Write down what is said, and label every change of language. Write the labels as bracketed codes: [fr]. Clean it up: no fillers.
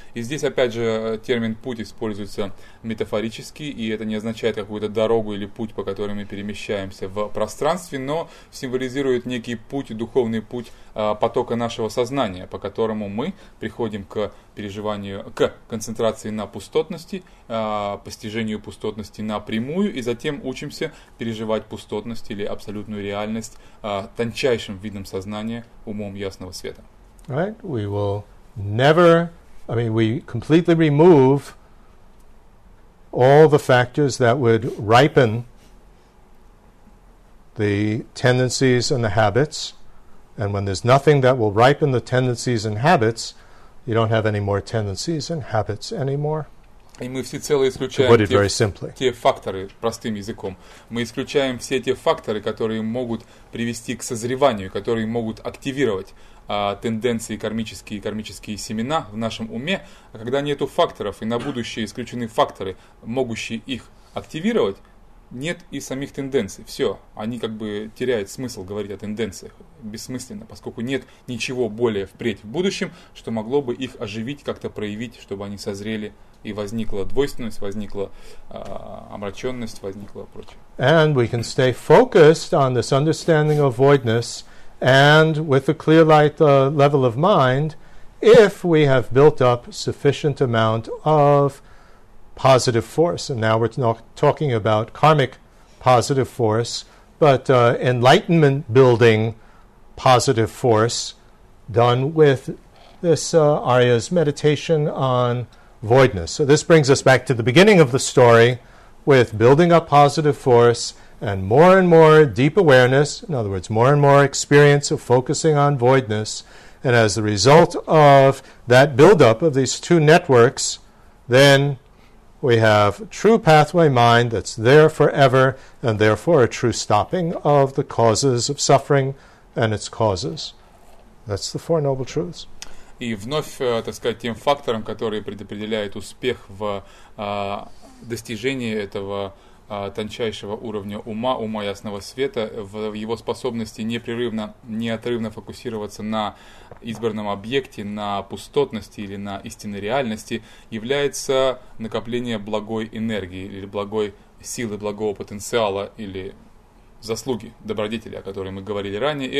[ru] И здесь, опять же, термин «путь» используется метафорически, и это не означает какую-то дорогу или путь, по которой мы перемещаемся в пространстве, но символизирует некий путь, духовный путь потока нашего сознания, по которому мы приходим к переживанию, к концентрации на пустотности, постижению пустотности напрямую, и затем учимся переживать пустотность или абсолютную реальность тончайшим видом сознания, умом ясного света. [en] Right, we will never, I mean, we completely remove all the factors that would ripen the tendencies and the habits. And when there's nothing that will ripen the tendencies and habits, you don't have any more tendencies and habits anymore. [ru] И мы всецело исключаем те факторы, простым языком. Мы исключаем все те факторы, которые могут привести к созреванию, которые могут активировать тенденции кармические и кармические семена в нашем уме. А когда нету факторов и на будущее исключены факторы, могущие их активировать, нет и самих тенденций. Все, они как бы теряют смысл говорить о тенденциях. Бессмысленно, поскольку нет ничего более впредь в будущем, что могло бы их оживить, как-то проявить, чтобы они созрели и возникла двойственность, возникла омраченность, возникла прочее. [en] And we can stay focused on this understanding of voidness and with a clear light level of mind if we have built up sufficient amount of positive force. And now we're talking about karmic positive force, but enlightenment building positive force done with this Arya's meditation on voidness. So this brings us back to the beginning of the story with building up positive force and more deep awareness, in other words, more and more experience of focusing on voidness. And as a result of that buildup of these two networks, then we have true pathway mind that's there forever, and therefore a true stopping of the causes of suffering and its causes. That's the Four Noble Truths. [ru] И вновь, так сказать, тем фактором, который предопределяет успех в достижении этого тончайшего уровня ума, ума ясного света, в его способности непрерывно, неотрывно фокусироваться на избранном объекте, на пустотности или на истинной реальности, является накопление благой энергии или благой силы, благого потенциала или заслуги добродетели, о которой мы говорили ранее.